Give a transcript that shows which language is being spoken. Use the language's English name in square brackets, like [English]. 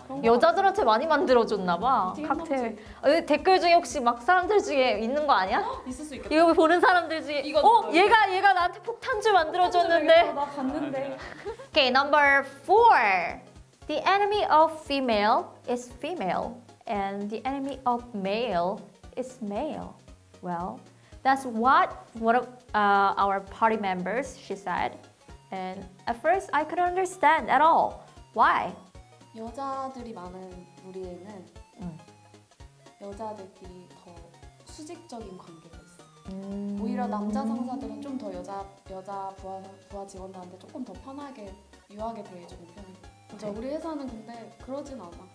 [Korean] 여자들한테 많이 만들어줬나봐. 칵테일. 어, 댓글 중에 혹시 막 사람들 중에 있는 거 아니야? 있을 수 있겠다. 이거 보는 사람들 중에. 이거 어, 얘가 나한테 폭탄주 만들어줬는데. 나 봤는데. [English] Okay, number 4. The enemy of female is female, and the enemy of male is male. Well, that's what one of our party members she said. And at first, I couldn't understand at all. Why? [Korean] 여자들이 많은 무리에는 여자들끼리 더 수직적인 관계가 있어. 오히려 남자 상사들은 좀 더 여자 부하 직원들한테 조금 더 편하게 유하게 대해주는 편이야. 맞아. 우리 회사는 근데 그러진 않아.